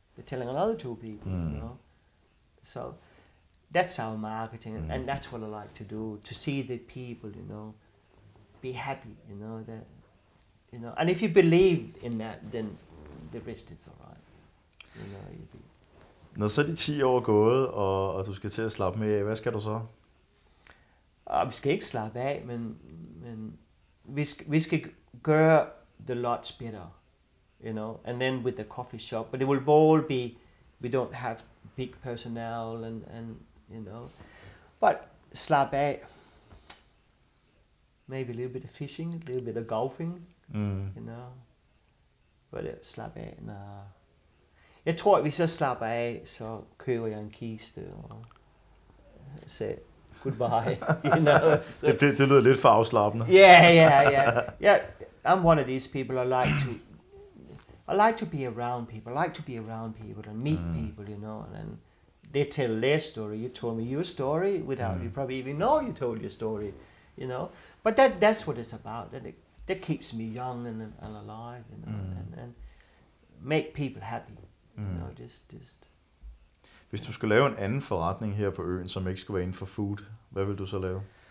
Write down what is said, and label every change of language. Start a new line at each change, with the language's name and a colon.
English: They're telling another two people. You know, so that's our marketing, and that's what I like to do, to see the people. You know, be happy. You know that. You know, and if you believe in that, then the rest is all right. You know,
Danish: Når så de 10 år er gået, og du skal til at slappe med, hvad skal du så? Og vi skal ikke slappe af, men vi skal gøre
English: the lodge better, you know, and then with the coffee shop. But it will all be, we don't have big personnel and you know. But slappe af, maybe a little bit of fishing, a little bit of golfing. You know, but it slap af, nah.
Danish: Jeg tror, at hvis jeg slapper af, så køber jeg en kiste og siger goodbye.
English: You know, so.
Danish: Det lyder lidt for afslappende.
English: Yeah. I'm one of these people. I like to be around people. I like to be around people and meet people. You know, and they tell their story. You told me your story without you probably even know you told your story. You know, but that's what it's about. And that keeps me young and alive, you know, and make people happy. No, just.
Danish: Hvis du skulle lave en anden forretning her på øen, som ikke skulle være inden for food, hvad vil du så lave?